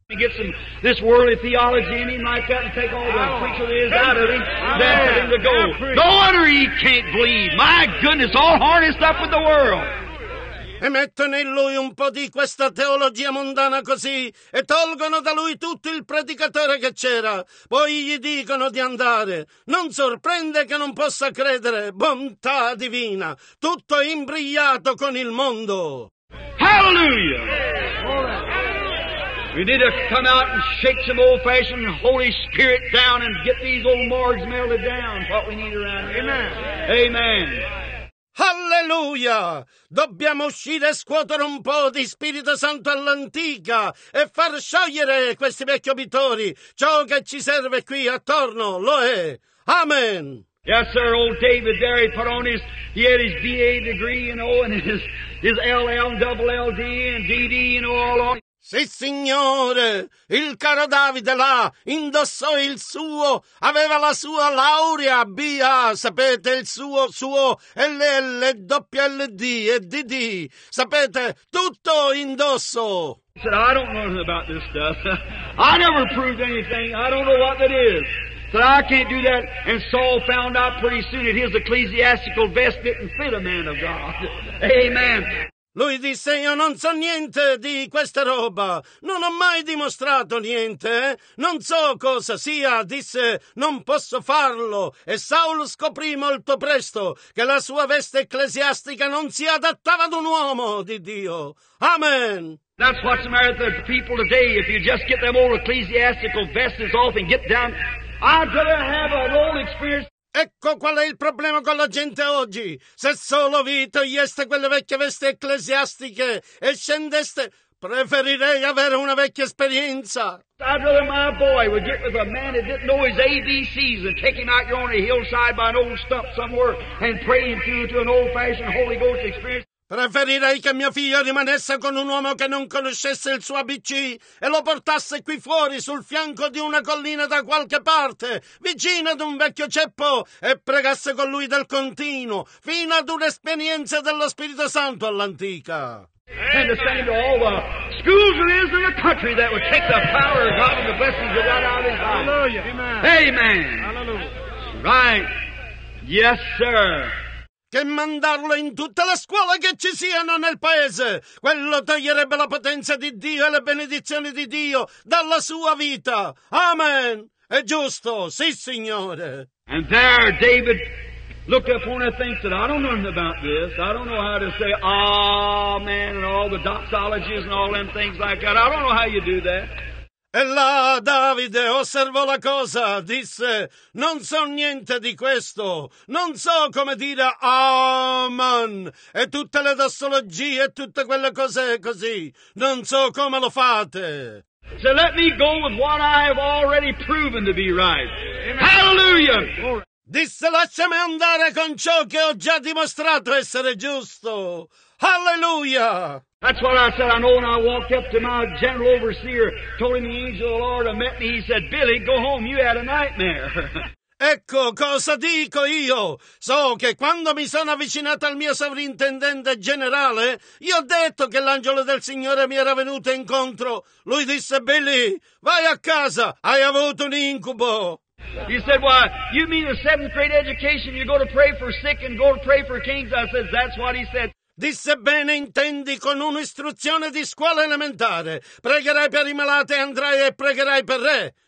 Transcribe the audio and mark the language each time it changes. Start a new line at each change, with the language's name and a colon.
English: He gets some this worldly theology in him like that and take all the preacher that is out of him. That's for him to go. No wonder he can't believe. My goodness, all harnessed up with the world.
Italian: E mettono in lui un po' di questa teologia mondana così e tolgono da lui tutto il predicatore che c'era. Poi gli dicono di andare. Non sorprende che non possa credere. Bontà divina. Tutto imbrigliato con il mondo.
English: Hallelujah! Hallelujah. We need to come out and shake some old-fashioned Holy Spirit down and get these old morgues melted down. What we need around here. Amen. Amen. Hallelujah!
Italian: Dobbiamo uscire e scuotere un po' di Spirito Santo all'antica e far sciogliere questi vecchi obitori. Ciò che ci serve qui attorno lo è. Amen!
English: Yes, sir, old David there, he put on his, he had his B.A. degree, you know, and his L.L. and double L.D. and D.D., you know, all on.
Italian: Sì, signore, il caro Davide là indossò il suo, aveva la sua laurea B.A., sapete, il suo L.L., doppia L.D. e D.D., sapete, tutto indosso.
English: He said, I don't know about this stuff. I never proved anything. I don't know what that is. But I can't do that. And Saul found out pretty soon that his ecclesiastical vest didn't fit a man of God. Amen.
Italian: Lui disse, io non so niente di questa roba, non ho mai dimostrato niente, non so cosa sia, disse, non posso farlo, e Saul scoprì molto presto che la sua veste ecclesiastica non si adattava ad un uomo di Dio. Amen!
English: That's what's the matter with the people today, if you just get them old ecclesiastical vests off and get down, I'd better have an old experience.
Italian: Ecco qual è il problema con la gente oggi. Se solo vi togliesse quelle vecchie vesti ecclesiastiche e scendeste, preferirei avere una vecchia esperienza.
English: I'd rather my boy would get with a man that didn't know his ABCs and take him out here on a hillside by an old stump somewhere and pray him through to an old-fashioned Holy Ghost experience.
Italian: Preferirei che mio figlio rimanesse con un uomo che non conoscesse il suo ABC e lo portasse qui fuori sul fianco di una collina da qualche parte, vicino ad un vecchio ceppo, e pregasse con lui del continuo, fino ad un'esperienza dello Spirito Santo all'antica.
English: And the same to all the schools there is in the country that would take the power of God and the blessings of God out of his life. Hallelujah. Amen. Amen. Hallelujah. Right. Yes, sir.
Italian: Che mandarlo in tutta la scuola che ci siano nel paese. Quello toglierebbe la potenza di Dio e le benedizioni di Dio dalla sua vita. Amen. È giusto. Sì, Signore.
English: And there David looked up one of the things that I don't know about this. I don't know how to say amen and all the doxologies and all them things like that. I don't know how you do that.
Italian: E là Davide osservò la cosa, disse, non so niente di questo, non so come dire Amen, e tutte le dossologie e tutte quelle cose così, non so come lo fate.
English: So let me go with what I have already proven to be right. Hallelujah!
Italian: Disse, lasciami andare con ciò che ho già dimostrato essere giusto. Hallelujah!
English: That's what I said. I know when I walked up to my general overseer, told him the angel of the Lord had met me, he said, Billy, go home, you had a nightmare.
Italian: Ecco cosa dico io. So che quando mi sono avvicinato al mio sovrintendente generale, io ho detto che l'angelo del Signore mi era venuto incontro. Lui disse, Billy, vai a casa, hai avuto un incubo.
English: He said, why, you mean a seventh grade education, you go to pray for sick and go to pray for kings? I said, that's what he said.
Italian: Disse, bene, intendi, con un'istruzione di scuola elementare, pregherai per i malati e andrai e pregherai per re.